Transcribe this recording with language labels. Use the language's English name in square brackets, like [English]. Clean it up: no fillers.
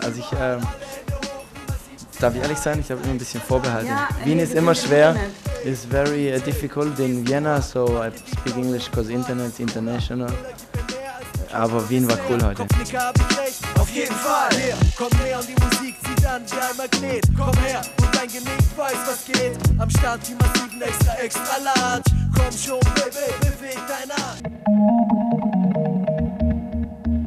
[German] Also ich, darf ich ehrlich sein? Ich habe immer ein bisschen vorbehalten. Ja, Wien ist immer schwer. [English] It's very difficult in Vienna, so I speak English because Internet is international. [German] Aber Wien war cool heute. Auf jeden Fall. Komm her und die Musik zieht an wie ein Magnet. Komm her und dein Genick weiß, was geht. Am Start die massiven extra, extra large. Komm schon, baby, beweg deine Art.